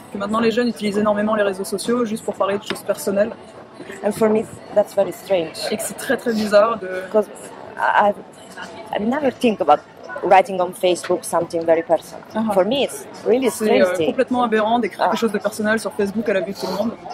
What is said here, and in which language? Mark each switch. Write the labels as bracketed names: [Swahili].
[French] Que maintenant les jeunes utilisent énormément les réseaux sociaux juste pour parler de choses personnelles. [English] And for me, that's very strange. [French] Et que c'est très très bizarre de. [English] Because I never think about writing on Facebook something very personal. Uh-huh. For me, it's really strange. [French] C'est complètement aberrant d'écrire quelque chose de personnel sur Facebook à la vue de tout le monde.